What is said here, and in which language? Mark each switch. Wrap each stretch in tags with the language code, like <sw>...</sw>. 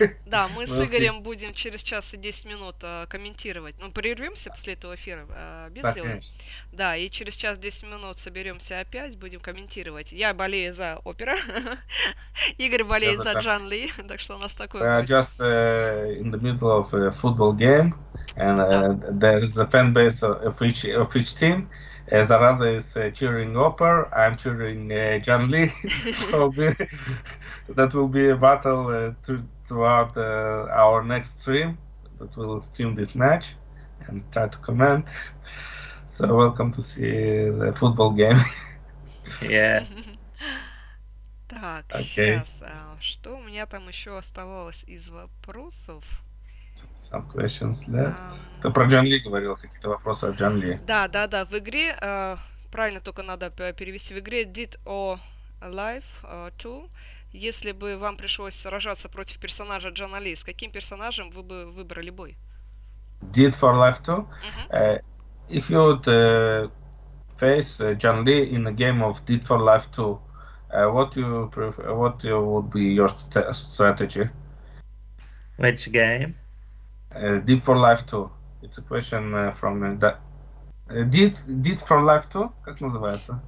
<ru>Да, мы с Игорем будем через час и 10 минут комментировать. Ну, прервемся после этого эфира, Бугзилла. Да, и через час 10 минут соберемся опять, будем комментировать. Я болею за Опера. Игорь болеет за Джан Ли, так что у нас такое.</ru> <en>We are just in the middle of a football game, and there is a fan base of each team. Zaraza is cheering Opper, I'm cheering Джан Ли. So that will be a battle throughout our next stream. That will stream this match and try to comment. So welcome to see the football game. Yeah.</en> <ru>Так, okay. Сейчас, что у меня там еще оставалось из вопросов?</ru> <en>Some questions left.</en> <ru>Ты про Джан Ли говорил, какие-то вопросы о Джан Ли. Да, в игре, правильно только надо перевести, в игре Did or Life 2. Если бы вам пришлось сражаться против персонажа Джан Ли, с каким персонажем вы бы выбрали бой?</ru> <en>Did for Life 2? Mm-hmm. If you would face Джан Ли in a game of Did for Life 2, what would be your strategy? Which game? Did for Life 2. It's a question from Did for Life 2?</en> <ru>Как называется?</ru>